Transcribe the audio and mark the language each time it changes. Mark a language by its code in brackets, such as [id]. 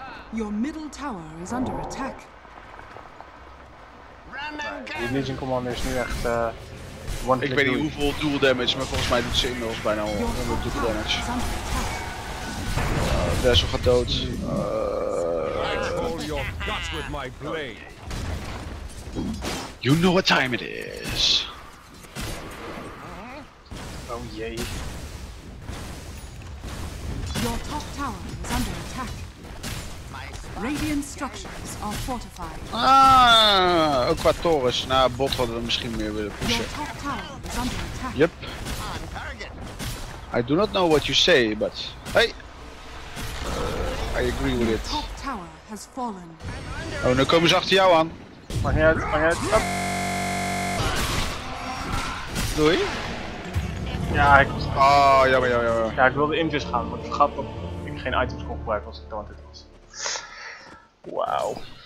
[en] Your middle tower is under attack. [nl] Die Legion Commander is nu echt. Ik weet niet hoeveel dual damage, maar volgens mij doet ze inmiddels bijna 100 dual damage. Vessel gaat dood. [en] You know what time it is. [nl] Oh jee. [en] Your top tower is under attack. Radiant structures are fortified. [nl] Ah, ook qua torens. Nou, bot hadden we misschien meer willen pushen. [en] Your top tower is under attack. Yep. I do not know what you say, but hey, I agree with it. Top tower has fallen. [nl] Oh, nu komen ze achter jou aan. Mag niet uit. Up. Doei. Ja, ik... Oh, jammer. Ja, ik wilde invis gaan, maar ik vergat dat ik geen items kon gebruiken als ik talented was. Wauw.